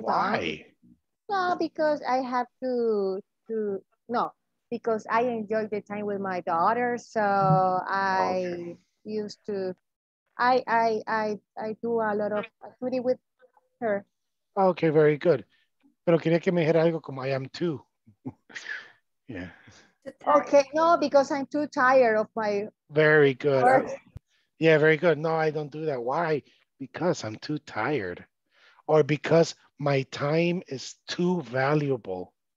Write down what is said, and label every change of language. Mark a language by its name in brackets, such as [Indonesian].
[English] Why? Don't. Why? No, because I have to... No, because I enjoy the time with my daughter, so I okay. used to... I do a lot of activity with her. Okay, very good. [Spanish] Pero quería que me dijera algo como [English] I am too. Yeah. Okay, no, because I'm too tired of my... Very good. Work. Yeah, very good. No, I don't do that. Why? Because I'm too tired. Or because my time is too valuable.